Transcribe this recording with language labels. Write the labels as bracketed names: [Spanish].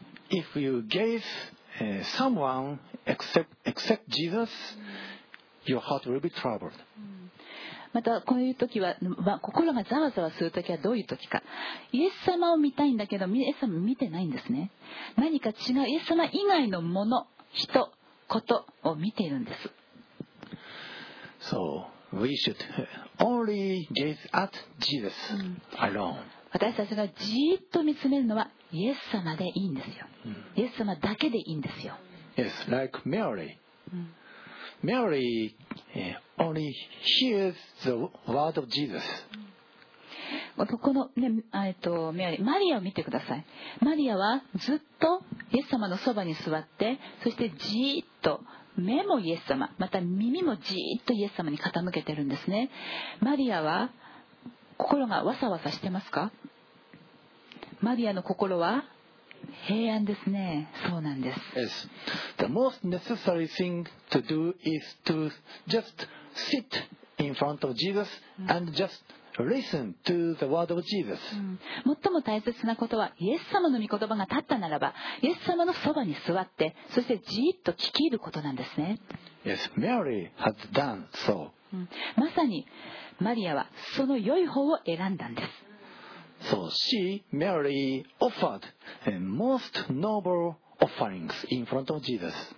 [English] If you gaze someone except Jesus, your heart will be troubled. [Japanese] またこういう時は、心がざわざわする時はどういう時か、イエス様を見たいんだけどイエス様見てないんですね。何か違うイエス様以外のもの、人、ことを見ているんです。 [English] So we should only gaze at Jesus alone. [Japanese] 私たちがじーっと見つめるのはイエス様でいいんですよ。イエス様だけでいいんですよ。 [English] Yes, like MaryMary only hears the word of Jesus. [Japanese] このね、マリアを見てください。マリアはずっとイエス様のそばに座って、そしてじーっと目もイエス様、また耳もじーっとイエス様に傾けてるんですね。マリアは心がわさわさしてますか？マリアの心は平安ですね。そうなんです。 [English] Yes. The most necessary thing to do is to just sit in front of Jesus and just listen to the word of Jesus. [Japanese] 最も大切なことは、イエス様の御言葉が立ったならば、イエス様のそばに座って、そしてじっと聞き入ることなんですね。 [English] Yes. Mary has done so. [Japanese] まさにマリアはその良い方を選んだんです。 [English] So she, Mary, offered most noble offerings in front of Jesus.